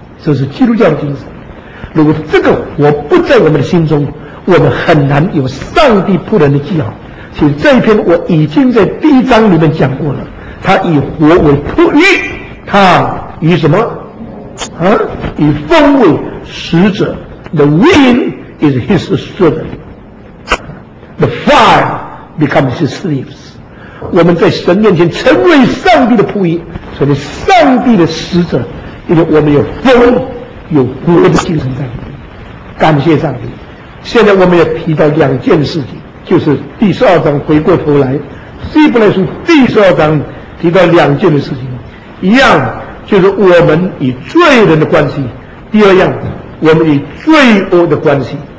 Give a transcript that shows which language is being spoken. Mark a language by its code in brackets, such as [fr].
[zh] 这是基督教的精神。如果这个火不在我们的心中，我们很难有上帝仆人的记号。其实这一篇我已经在第一章里面讲过了，他以火为仆役，他以什么啊？以风为使者。 [en] The wind is his servant, the fire becomes his slaves。 [zh] 我们在神面前成为上帝的仆役，成为上帝的使者，因为我们有风有火的精神在里面。感谢上帝。现在我们要提到两件事情，就是第十二章回过头来，希伯来书第十二章提到两件的事情，一样就是我们与罪人的关系，第二样我们与罪恶的关系。